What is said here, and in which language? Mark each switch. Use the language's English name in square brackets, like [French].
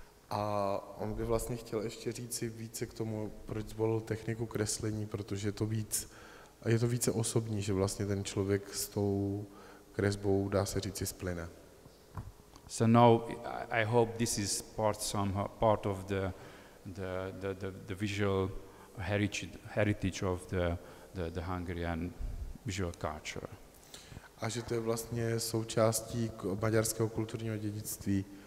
[Czech] A on by vlastně chtěl ještě říci více k tomu, proč zvolil techniku kreslení, protože je to více osobní, že vlastně ten člověk s tou kresbou dá se říci splyne. [English] So now I hope this is part of the visual heritage of the Hungarian visual culture. [Czech] A že to je vlastně součástí maďarského kulturního dědictví.